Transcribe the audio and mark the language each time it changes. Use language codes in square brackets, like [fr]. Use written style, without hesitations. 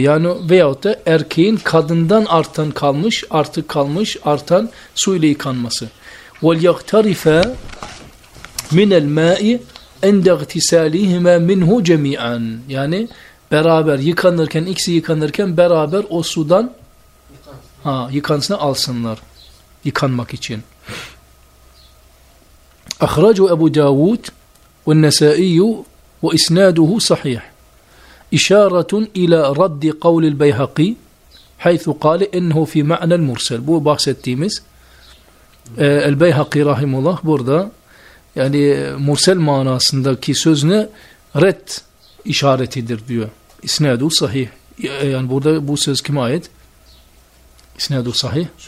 [tr] Yani veyahut da erkeğin kadından artan kalmış, artık kalmış, artan su ile yıkanması. [ar] وَلْيَغْتَرِفَ مِنَ الْمَاءِ اَنْدَ اَغْتِسَالِهِمَا مِنْهُ جَمِيعًا. [tr] Yani beraber yıkanırken, ikisi yıkanırken beraber o sudan yıkansını alsınlar. Yıkanmak için. [ar] اَخْرَجُ اَبُوْ دَاوُودْ وَالنَّسَائِيُّ وإسناده صحيح إشارة إلى رد قول البيهقي حيث قال إنه في معنى المرسل. [tr] Bu bahsettiğimiz البيهقي rahimullah burada yani mursel manasındaki sözüne red işaretidir diyor. İsnadu sahih. Yani burada bu söz kime ait? İsnadu sahih.